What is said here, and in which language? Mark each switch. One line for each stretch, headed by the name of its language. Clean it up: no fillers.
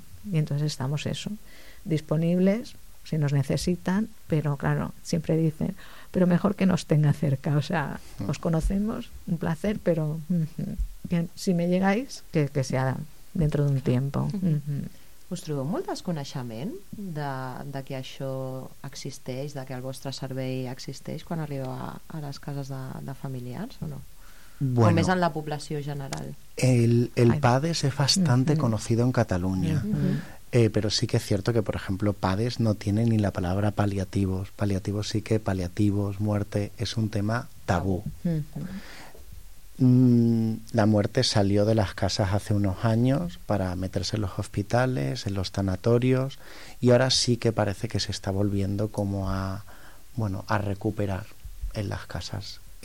Spanish: Y entonces estamos eso, disponibles si nos necesitan, pero claro, siempre dicen, pero mejor que nos tenga cerca, o sea, os conocemos, un placer, pero que, si me llegáis, que sea dentro de un tiempo.
Catalan: Us trobeu molt desconeixement de que això existeix, de que el vostre servei existeix quan arriba a les cases de familiars o no?
Spanish: Bueno,
Catalan: o més en la població general.
Spanish: El PADES és bastante conocido en Catalunya. Pero sí que es cierto que, por ejemplo, PADES no tiene ni la palabra paliativos. Paliativos sí que, paliativos, muerte, es un tema tabú. La muerte salió de las casas hace unos años para meterse en los hospitales, en los tanatorios, y ahora sí que parece que se está volviendo como a recuperar en las casas.